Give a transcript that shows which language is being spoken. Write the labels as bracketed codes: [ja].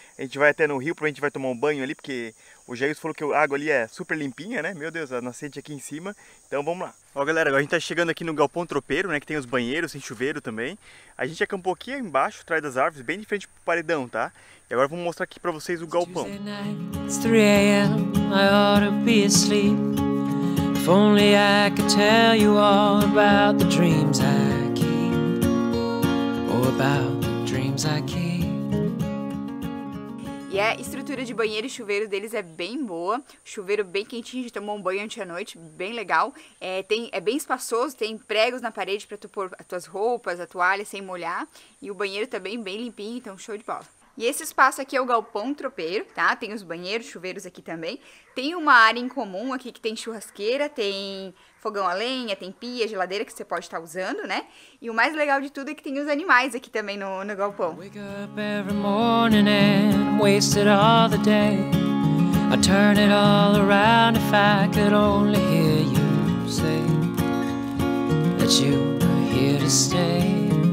[pt] A gente vai até no rio, pra gente vai tomar um banho ali, porque o Jair falou que a água ali é super limpinha, né? Meu Deus, a nascente aqui em cima. Então vamos lá. Ó galera, agora a gente tá chegando aqui no galpão tropeiro, né? Que tem os banheiros, tem chuveiro também. A gente acampou aqui embaixo, atrás das árvores, bem de frente pro paredão, tá? E agora vamos mostrar aqui pra vocês o galpão. [en] It's 3 a.m. I ought to be asleep. If only I could tell you all about the dreams I keep. Or about the dreams I keep. [pt] E a estrutura de banheiro e chuveiro deles é bem boa. Chuveiro bem quentinho, a gente tomou um banho ontem à noite, bem legal. É bem espaçoso, tem pregos na parede pra tu pôr as tuas roupas, a toalha sem molhar. E o banheiro também bem limpinho, então show de bola. E esse espaço aqui é o galpão tropeiro, tá? Tem os banheiros, chuveiros aqui também. Tem uma área em comum aqui que tem churrasqueira, tem fogão a lenha, tem pia, geladeira que você pode estar usando, né? E o mais legal de tudo é que tem os animais aqui também no galpão. [en] Wake up every morning and waste it all the day. I turn it all around if I could only hear you say that you are here to stay.